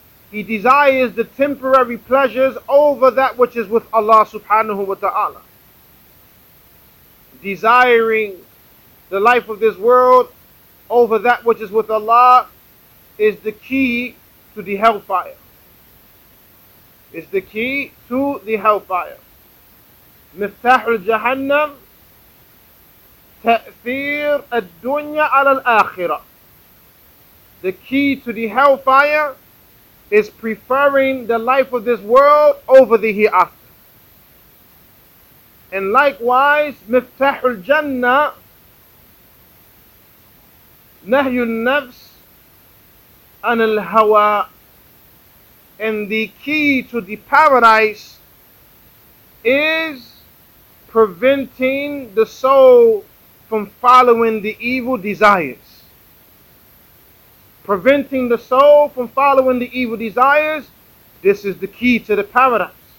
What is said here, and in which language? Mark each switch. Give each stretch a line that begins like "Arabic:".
English: He desires the temporary pleasures over that which is with Allah subhanahu wa ta'ala. Desiring the life of this world over that which is with Allah is the key to the hellfire. It's the key to the hellfire.
Arabic: مفتاح الجهنم تأثير الدنيا على الآخرة.
English: The key to the hellfire is preferring the life of this world over the hereafter. And likewise,
Arabic: مفتاح الجنة نهي النفس عن الهوى.
English: And the key to the paradise is preventing the soul from following the evil desires. Preventing the soul from following the evil desires, this is the key to the paradise.